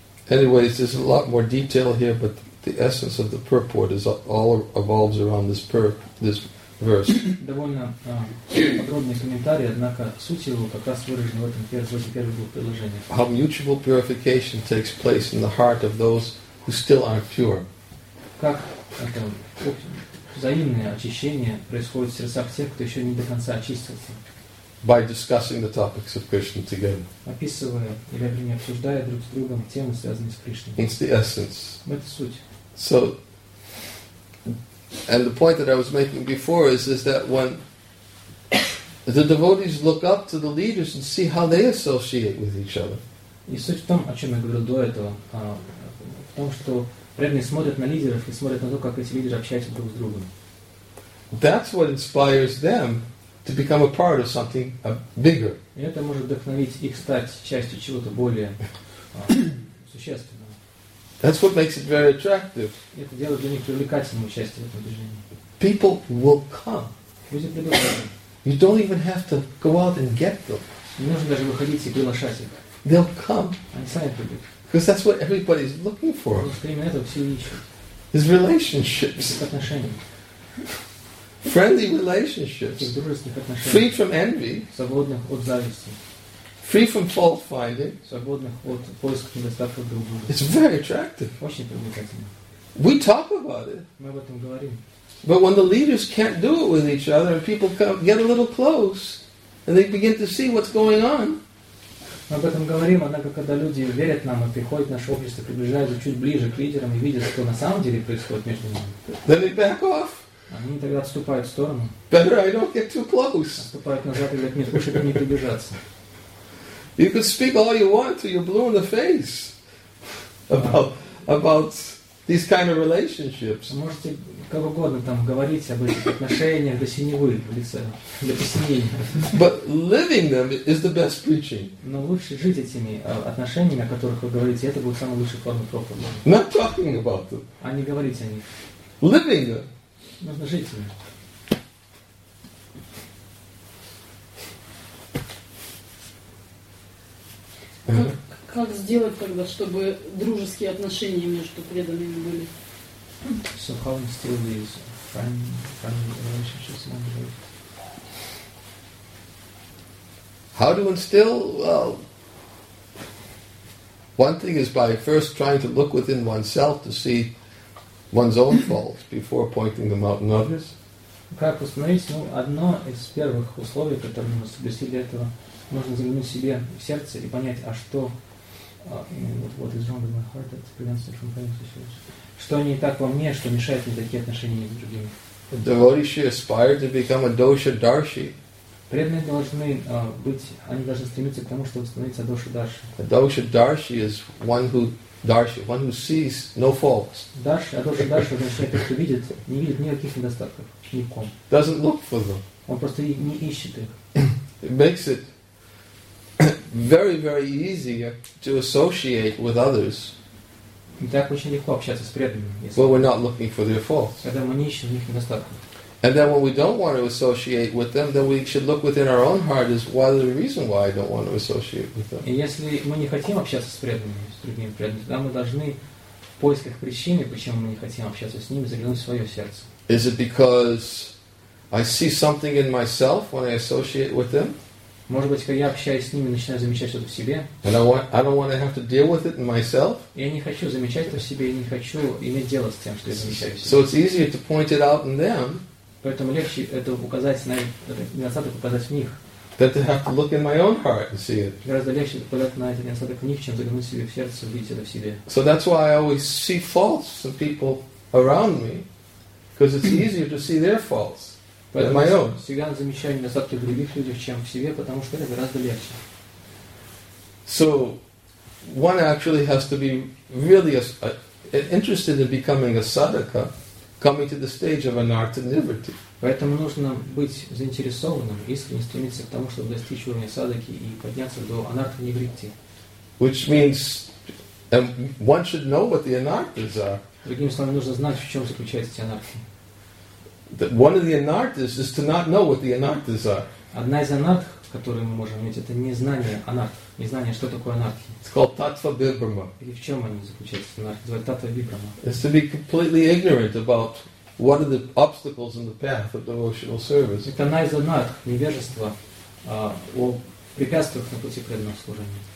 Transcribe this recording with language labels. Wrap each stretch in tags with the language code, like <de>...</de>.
<en>Anyways, there's a lot more detail here, but the essence of the purport is all revolves around this this verse.</en> <ru>Довольно подробный комментарий, однако суть его как раз выражена в этом первом двух приложениях.</ru> <en>How mutual purification takes place in the heart of those who still aren't pure.</en> <ru>Как это взаимное очищение происходит в сердцах тех, кто еще не до конца очистился?</ru> <en>By discussing the topics of Krishna together.</en> <ru>Описывая или не обсуждая друг с другом темы, связанные с Кришной.</ru> <en>It's the essence.</en> <ru>Это суть.</ru> <en>So, and the point that I was making before is that when the devotees look up to the leaders and see how they associate with each other.</en> <ru>И суть в том, о чем я говорил до этого, в том, что преданные смотрят на лидеров и смотрят на то, как эти лидеры общаются друг с другом.</ru> <en>That's what inspires them to become a part of something bigger.</en> <ru>И это может вдохновить их стать частью чего-то более существенного.</ru> <en>That's what makes it very attractive.</en> <ru>Это делает для них привлекательным участие в этом движении.</ru> <en>People will come.</en> <ru>Люди придут.</ru> <en>You don't even have to go out and get them.</en> <ru>Не нужно даже выходить и приглашать их.</ru> <en>They'll come.</en> <ru>Они сами придут.</ru> <en>Because that's what everybody's looking for.</en> <ru>Потому что именно этого все ищут.</ru> <en>Is relationships.</en> <ru>Это отношения.</ru> <en>Friendly relationships, free from envy,</en> <ru>свободных от зависти,</ru> <en>free from fault finding,</en> <ru>свободных от поисков недостатков другого.</ru> <en>It's very attractive.</en> <ru>Очень привлекательно.</ru> <en>We talk about it.</en> <ru>Мы об этом говорим.</ru> <en>But when the leaders can't do it with each other, and people come, get a little close, and they begin to see what's going on.</en> <ru>Мы об этом говорим, однако когда люди верят нам и приходят в наше общество, приближаются чуть ближе к лидерам и видят, что на самом деле происходит между нами.</ru> <en>Then they back off.</en> <ru>Они тогда отступают в сторону.</ru> <en>Better I don't get too close.</en> <ru>Отступают назад и говорят, нет, лучше не приближаться.</ru> <en>You can speak all you want till you're blue in the face about these kind of relationships.</en> <ru>Можете как угодно там говорить об этих отношениях до синевы в лице, до посинения.</ru> <en>But living them is the best preaching.</en> <ru>Но лучше жить этими отношениями, о которых вы говорите, это будет самая лучшая форма проповеди.</ru> <en>Not talking about them.</en> <ru>А не говорить о них.</ru> <en>Living them.</en> <ru>Нужно жить. Как сделать тогда, чтобы дружеские отношения между преданными были?</ru> <en>So how to instill these friendly relationships among the devotees? How to instill? Well, one thing is by first trying to look within oneself to see one's own faults before pointing them out in others.</en> <ru>Как установить, ну, одно из первых условий, которые мы соблюсти для этого, нужно заглянуть себе в сердце и понять, а что</ru> <en>what is wrong with my heart that prevents me from having such feelings?</en> <ru>Что не так во мне, что мешает мне такие отношения с другими?</ru> <en>Devotees should aspire to become a dosha darshi.</en> <ru>Преданные должны быть, они должны стремиться к тому, чтобы становиться dosha darshi.</ru> <en>A dosha darshi is one who Дарши, one who sees no faults.</en> <ru>Дарши, а тоже Дарши, значит, кто видит, не видит никаких недостатков, ни в ком.</ru> <en>Doesn't look for them.</en> <ru>Он просто не ищет их.</ru> <en>It makes it very, very easy to associate with others.</en> <ru>И так очень легко общаться с преданными.</ru> <en>When we're not looking for their faults.</en> <ru>Когда мы не ищем их недостатков.</ru> <en>And then when we don't want to associate with them, then we should look within our own heart as what is the reason why I don't want to associate with them.</en> <ru>И если мы не хотим общаться с преданными, с другими преданными, тогда мы должны в поисках причины, почему мы не хотим общаться с ними, заглянуть в свое сердце.</ru> <en>Is it because I see something in myself when I associate with them?</en> <ru>Может быть, когда я общаюсь с ними, начинаю замечать что-то в себе.</ru> <en>And I don't want to have to deal with it in myself.</en> <ru>Я не хочу замечать это в себе, я не хочу иметь дело с тем, что я замечаю в себе.</ru> <en>So it's easier to point it out in them.</en> <ru>Поэтому легче это указать на этот недостаток указать в них.</ru> <en>That I have to look in my own heart and see it.</en> <ru>Гораздо легче указать на этот недостаток в них, чем заглянуть себе в сердце, увидеть это в себе.</ru> <en>So that's why I always see faults in people around me, because it's easier to see their faults than my own.</en> <ru>Всегда замечаю недостатки в других людях, чем в себе, потому что это гораздо легче.</ru> <en>So one actually has to be really interested in becoming a sadhaka. Coming to the stage of anartha nirvritti.</en> <ru>Поэтому нужно быть заинтересованным, искренне стремиться к тому, чтобы достичь уровня садаки и подняться до анартха нивритти.</ru> <en>Which means And one should know what the anarthas are.</en> <ru>Другими словами, нужно знать, в чем заключается анархия.</ru> <en>One of the anarthas is to not know what the anarthas are.</en> <ru>Одна из анарх, которую мы можем иметь, это незнание анарх, незнание, что такое анархия.</ru> <en>It's called tattva vibhrama.</en> <ru>И в чем они заключаются, анархия? Называют tattva vibhrama.</ru> <en>It's to be completely ignorant about what are the obstacles in the path of devotional service.</en> <ru>Это одна из анарх, невежество о препятствиях на пути преданного служения.</ru>